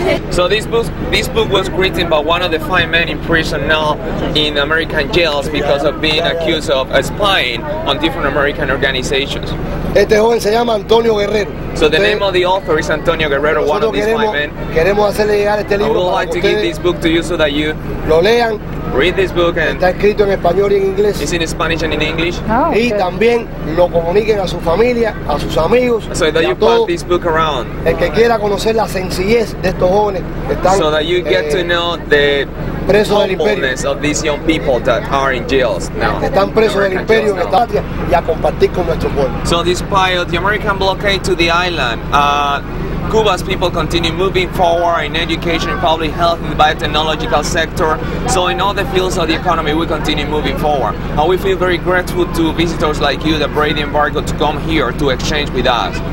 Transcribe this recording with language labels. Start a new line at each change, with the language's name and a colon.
English: So this book was written by one of the five men in prison now in American jails because of being accused of spying on different American organizations.
Spanish: Este joven se llama Antonio Guerrero.
English: So the name of the author is Antonio Guerrero, one of these five men.
Spanish: Queremos hacerle llegar este libro.
English: I would like to give this book to you so that you
Spanish: lo lean.
English: Read this book and
Spanish: está escrito en español y en inglés.
English: It's in Spanish and in English.
Spanish: Oh, okay. Y también lo comuniquen a su familia, a sus amigos.
English: So that you pass this book around.
Spanish: El que quiera conocer la sencillez de estos jóvenes que están.
English: So that you get to know the humbleness of these young people that are in jails now.
Spanish: Están presos del imperio en esta patria y a compartir con nuestro pueblo.
English: So despite the American blockade to the island, Cuba's people continue moving forward in education, public health, in the biotechnological sector. So in all the fields of the economy, we continue moving forward. And we feel very grateful to visitors like you that break the embargo to come here to exchange with us.